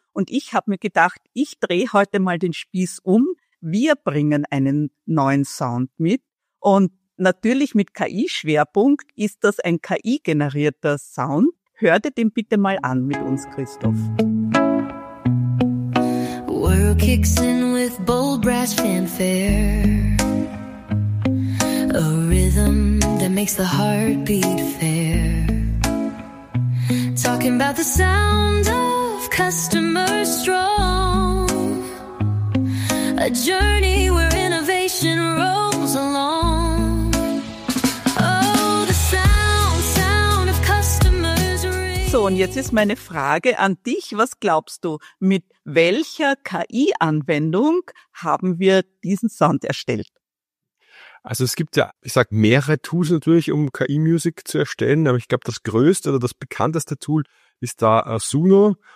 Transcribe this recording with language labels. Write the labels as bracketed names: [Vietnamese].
[German] Und ich habe mir gedacht, ich drehe heute mal den Spieß um. Wir bringen einen neuen Sound mit. Und natürlich mit KI-Schwerpunkt ist das ein KI-generierter Sound. Hör dir den bitte mal an mit uns, Christoph. [English] World kicks in with bold brass fanfare. A rhythm that makes the heart beat fair. Talking about the sound of customer strong, a journey where innovation rolls along. Oh, the sound of customers ring. [German] So, und jetzt ist meine Frage an dich. Was glaubst du, mit welcher KI-Anwendung haben wir diesen Sound erstellt? Also es gibt ja, ich sag, mehrere Tools natürlich, um KI-Music zu erstellen, aber ich glaube, das größte oder das bekannteste Tool ist da Suno.